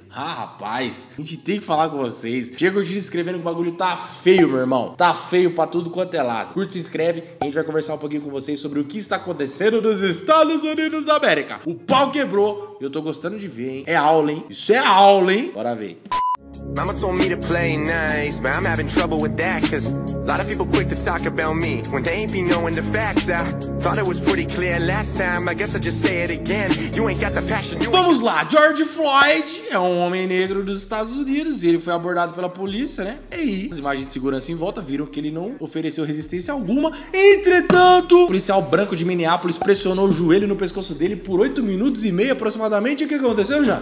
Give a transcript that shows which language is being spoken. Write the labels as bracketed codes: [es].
[pt] Ah, rapaz, a gente tem que falar com vocês, chega curtindo e se inscrevendo que o bagulho tá feio, meu irmão, tá feio pra tudo quanto é lado. Curte, se inscreve, a gente vai conversar um pouquinho com vocês sobre o que está acontecendo nos Estados Unidos da América. O pau quebrou, e eu tô gostando de ver, hein, é aula, hein, isso é aula, hein, bora ver. [en] Mama told me to play nice, but I'm having trouble with that, cause a lot of people quick to talk about me, when they ain't be knowing the facts. I thought it was pretty clear last time, I guess I'll just say it again, you ain't got the passion. [pt] Vamos lá, George Floyd é um homem negro dos Estados Unidos, e ele foi abordado pela polícia, né? E aí, as imagens de segurança em volta viram que ele não ofereceu resistência alguma. Entretanto, o policial branco de Minneapolis pressionou o joelho no pescoço dele por 8 minutos e meio aproximadamente, e o que aconteceu já?